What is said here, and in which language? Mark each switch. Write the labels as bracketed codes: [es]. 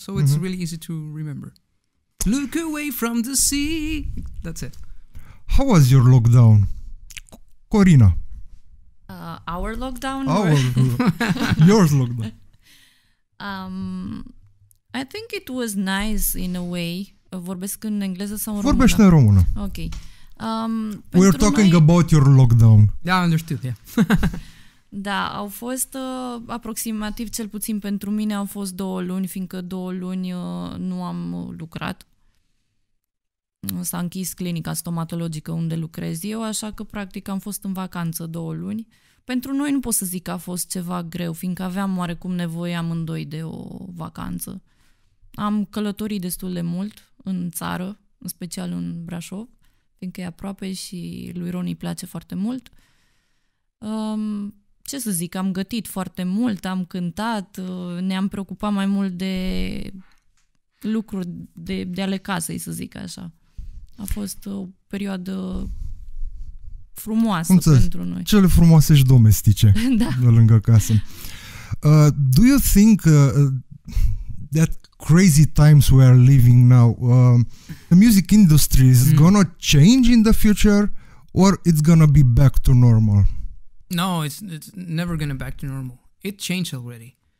[en] So it's mm-hmm. really easy to remember. Look away from the sea. That's it. How was your lockdown, Corina? Our lockdown? Yours lockdown. I think it was nice in a way. [ro] Vorbesc în engleză sau în română? Vorbește în română. Ok. [en] We're talking about your lockdown. Yeah, I understood, yeah. [ro] Da, au fost aproximativ, cel puțin pentru mine, au fost 2 luni, fiindcă 2 luni nu am lucrat. S-a închis clinica stomatologică unde lucrez eu, așa că practic am fost în vacanță 2 luni. Pentru noi nu pot să zic că a fost ceva greu, fiindcă aveam oarecum nevoie amândoi de o vacanță. Am călătorit destul de mult în țară, în special în Brașov, fiindcă e aproape și lui Ron îi place foarte mult. Ce să zic, am gătit foarte mult, am cântat, ne-am preocupat mai mult de lucruri de ale casei, să zic așa. A fost o perioadă frumoasă pentru noi. Cele frumoase și domestice da. Lângă casă. [en] Do you think that crazy times we are living now, the music industry is gonna change in the future or it's gonna be back to normal? No, it's never gonna back to normal. It changed already.